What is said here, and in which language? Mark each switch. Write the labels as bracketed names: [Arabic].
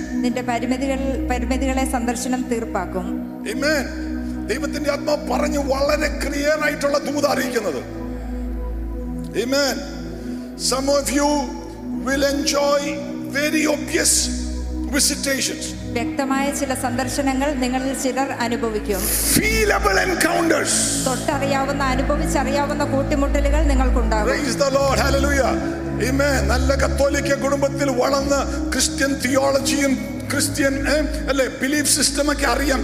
[Malayalam] നിന്റെ പരിമിതികളെ സന്ദർശനം തീർപ്പാക്കും. ആമേൻ. ദൈവത്തിന്റെ ആത്മാവ് പറഞ്ഞു വളരെ ക്ലിയർ ആയിട്ടുള്ള ദൂത അറിയിക്കുന്നത്. ആമേൻ. [English] Some of you will enjoy very obvious visitations. [Malayalam] വ്യക്തമായ ചില സന്ദർശനങ്ങൾ നിങ്ങളിൽ ചിലർ അനുഭവിക്കും. [English] Feelable encounters. [Malayalam] തൊട്ടറിയാവുന്ന അനുഭവിച്ചറിയാവുന്ന കൂട്ടിമുട്ടലുകൾ നിങ്ങൾക്കുണ്ടാകും. [English] Praise the Lord. Hallelujah. [Malayalam] ഇമേ നല്ല കത്തോലിക്ക കുടുംബത്തിൽ വളർന്ന് ക്രിസ്ത്യൻ തിയോളജിയും ക്രിസ്ത്യൻ അല്ലെ ബിലീഫ് സിസ്റ്റമൊക്കെ അറിയാം.